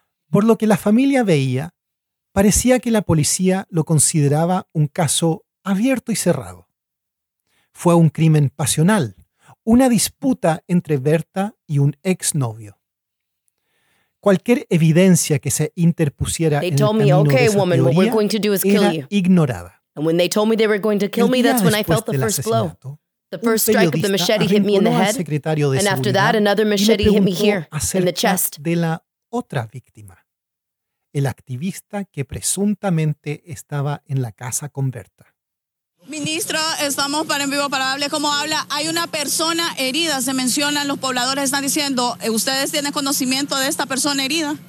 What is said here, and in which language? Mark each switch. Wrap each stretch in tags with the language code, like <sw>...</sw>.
<es>Por lo que la familia veía, parecía que la policía lo consideraba un caso abierto y cerrado. Fue un crimen pasional, una disputa entre Berta y un exnovio. Cualquier evidencia que se interpusiera en el camino de esa teoría era ignorada.</es> <en>And when they told me they were going to kill me, that's when I felt the first blow. The first strike of the machete hit me in the head, and after that another machete hit me here in the chest.</en> <es>De la otra víctima, el activista que presuntamente estaba en la casa con Berta. Ministro, estamos para en vivo para hablar. ¿Cómo habla? Hay una persona herida, se mencionan, los pobladores están diciendo, ¿ustedes tienen conocimiento de esta persona herida?</es>